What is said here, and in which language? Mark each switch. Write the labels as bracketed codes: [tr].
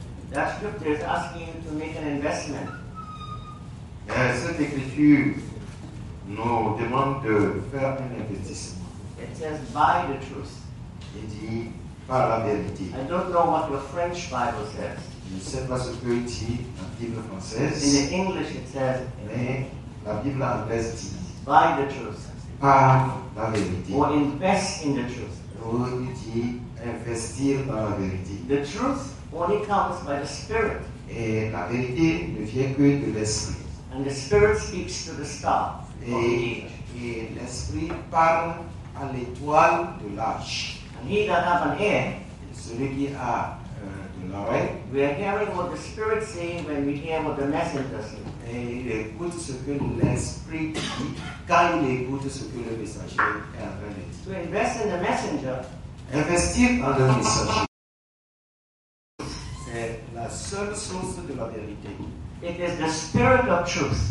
[en] That scripture is asking you to make an investment. [fr] Cette écriture nous demande de faire un investissement. [en] It says by the truth. [fr] Il dit. Par la vérité. [en] I don't know what your French Bible says. [fr] Je ne sais pas ce que dit la Bible française. [en] In the English it says. [fr] Mais la Bible anglaise dit. [en] By the truth. [fr] Par la vérité. [en] Or invest in the truth. [fr] Ou il dit investir dans la vérité. [en] The truth only comes by the Spirit. [fr] Et la vérité ne vient que de l'Esprit. [en] And the Spirit speaks to the star. [fr] Et l'Esprit parle à l'étoile de l'âge. [en] He that have an ear, [fr] celui qui a de l'oreille, [en] we are hearing what the Spirit say when we hear what the messenger say. [fr] Et il écoute ce que l'Esprit dit quand il écoute ce que le messager est en train de dire. [en] To invest in the messenger, [fr] investir dans le messager, c'est la seule source de la vérité. [en] It is the Spirit of truth.